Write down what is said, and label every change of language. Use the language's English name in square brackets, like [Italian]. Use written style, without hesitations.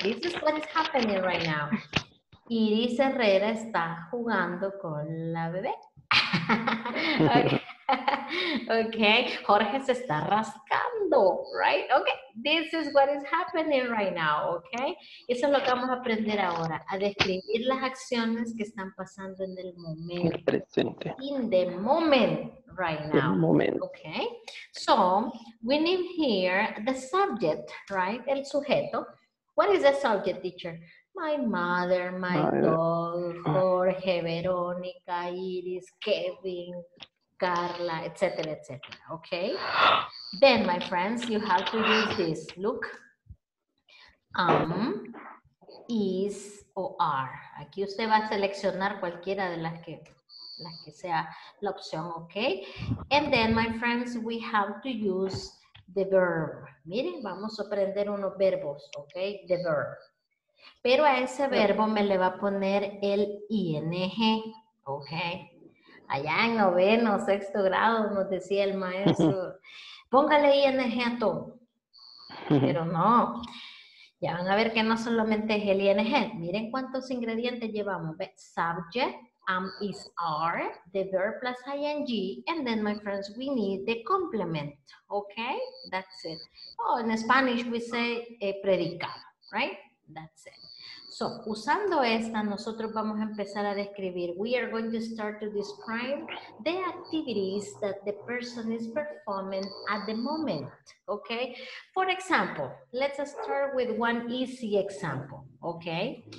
[English] This is what is happening right now. Iris Herrera [Spanish] está jugando con la bebé. Okay. Okay. Jorge se está rascando. mundo, right? [English] Okay, this is what is happening right now, okay? [Spanish] Eso es lo que vamos a aprender ahora, a describir las acciones que están pasando en el momento. El presente. [English] In the moment, right now. [Spanish] El momento. [English] Okay, so we need here the subject, right? [Spanish] El sujeto. [English] What is the subject, teacher? My mother, my dog, Jorge, Veronica, Iris, Kevin, Carla, etc., etc. Okay? Then, my friends, you have to use this. Look. Is or are. [Spanish] Aquí usted va a seleccionar cualquiera de las que sea la opción, okay? [English] And then, my friends, we have to use the verb. [Spanish] Miren, vamos a aprender unos verbos, okay? [English] The verb. [Spanish] Pero a ese verbo me le va a poner el ing, okay? Allá en noveno, sexto grado, nos decía el maestro, póngale ing a todo. Pero no, ya van a ver que no solamente es el ing. Miren cuántos ingredientes llevamos. [English] Subject, is, are, the verb plus ing, and then my friends, we need the complement, okay? That's it. Oh, in Spanish we say predicado, right? That's it. [Spanish] So, usando esta, nosotros vamos a empezar a describir. [English] We are going to start to describe the activities that the person is performing at the moment, okay? For example, let's start with one easy example, okay?